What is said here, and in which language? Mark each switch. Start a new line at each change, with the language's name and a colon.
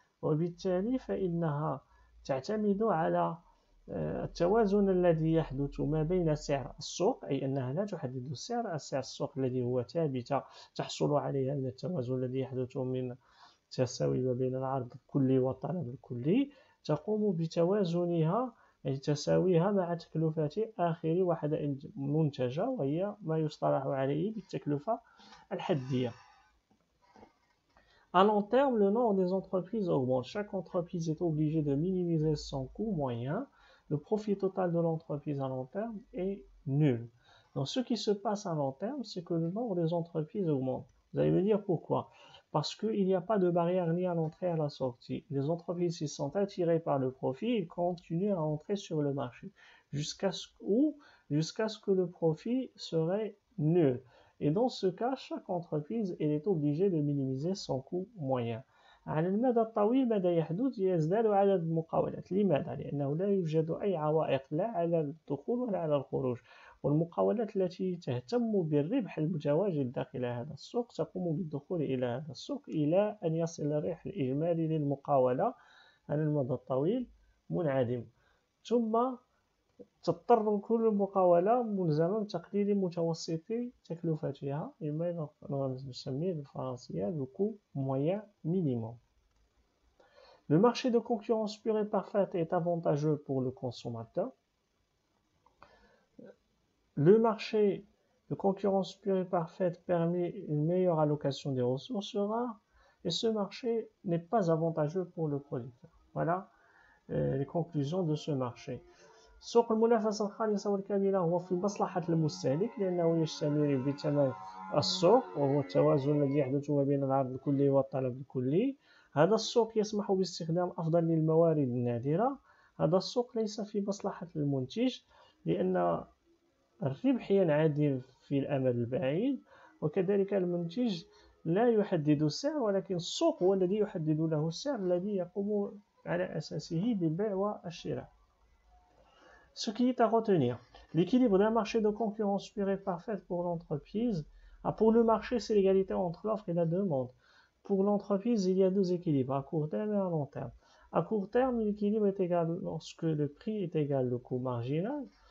Arabic: وبالتالي فإنها تعتمد على التوازن الذي يحدث ما بين سعر السوق أي أنها لا تحدد السعر السعر السوق الذي هو ثابت تحصل عليه من التوازن الذي يحدث من تساوي ما بين العرض الكلي والطلب الكلي تقوم بتوازنها أي تساويها مع تكلفة آخر وحدة منتجة وهي ما يصطلح عليه بالتكلفة الحدية.
French: À long terme, le nombre des entreprises augmente. Chaque entreprise est obligée de minimiser son coût moyen. Le profit total de l'entreprise à long terme est nul. Donc, ce qui se passe à long terme, c'est que le nombre des entreprises augmente. Vous allez me dire pourquoi? Parce qu'il n'y a pas de barrière ni à l'entrée ni à la sortie. Les entreprises s'y sont attirées par le profit et continuent à entrer sur le marché jusqu'à ce que le profit serait nul. Et dans ce cas, chaque entreprise elle est obligée de minimiser son coût moyen.
Arabic: على المدى الطويل ماذا يحدث؟ يزداد عدد المقاولات لماذا؟ لأنه لا يوجد أي عوائق لا على الدخول ولا على الخروج والمقاولات التي تهتم بالربح المتواجد داخل هذا السوق تقوم بالدخول إلى هذا السوق إلى أن يصل الربح الإجمالي للمقاولة على المدى الطويل منعدم، ثم تضطر كل مقاولة ملزمة بتقليل متوسط تكلفتها، بما نسميه بالفرنسية الكو مويا مينيموم.
French: Le marché de concurrence pure et parfaite est avantageux pour le consommateur. Le marché de concurrence pure et parfaite permet une meilleure allocation des ressources rares et ce marché n'est pas avantageux pour le producteur. Voilà les conclusions de ce marché.
Arabic: سوق المنافسة الخالصة والكاملة هو في مصلحة المستهلك لأنه يشتمل بثمن السوق وهو التوازن الذي يحدث ما بين العرض الكلي والطلب الكلي. هذا السوق يسمح باستخدام أفضل للموارد النادرة. هذا السوق ليس في مصلحة المنتج لأن الربح ينعدم في الأمد البعيد، وكذلك المنتج لا يحدد السعر ولكن السوق هو الذي يحدد له السعر الذي يقوم على أساسه بالبيع والشراء.
French: Ce qui est à retenir, l'équilibre d'un marché de concurrence pure et parfaite pour l'entreprise. Ah, pour le marché, c'est l'égalité entre l'offre et la demande. Pour l'entreprise, il y a deux équilibres, à court terme et à long terme. À court terme, l'équilibre est égal lorsque le prix est égal au coût marginal.